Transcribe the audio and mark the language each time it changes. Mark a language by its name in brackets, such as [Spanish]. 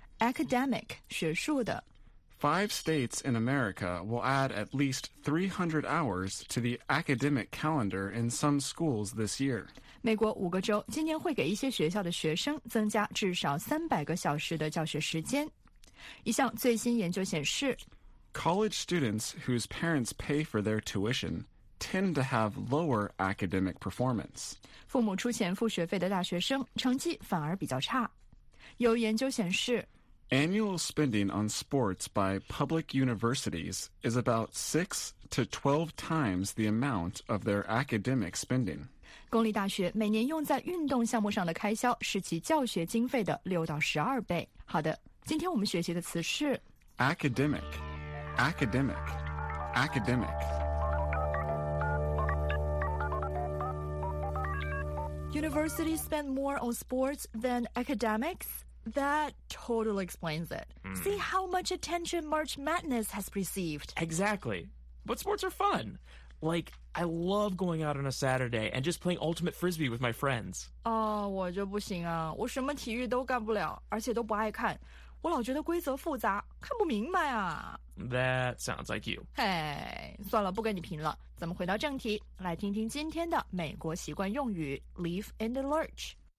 [Chinese] Academic, 学术的。 [English] Five states in America will add at least 300 hours to the academic calendar in some schools this year. [Chinese] 美国五个州今年会给一些学校的学生增加至少300个小时的教学时间。一项最新研究显示， [English] College students whose parents pay for their tuition tend to have lower academic performance. [Chinese] 父母出钱付学费的大学生成绩反而比较差。有研究显示， [English] Annual spending on sports by public universities is about 6 to 12 times the amount of their academic spending. [Chinese] 公立大学每年用在运动项目上的开销是其教学经费的6到12倍。好的，今天我们学习的词是 [English] academic, academic, academic. Universities spend more on sports than academics? That totally explains it. Mm. See how much attention March Madness has received. Exactly. But sports are fun. Like, I love going out on a Saturday and just playing Ultimate Frisbee with my friends. [Chinese] Oh, 我就不行啊。我什么体育都干不了，而且都不爱看。我老觉得规则复杂，看不明白啊。 [English] That sounds like you. [Chinese] Hey, 算了，不跟你评了。咱们回到正题，来听听今天的美国习惯用语 Leaf and Lurch。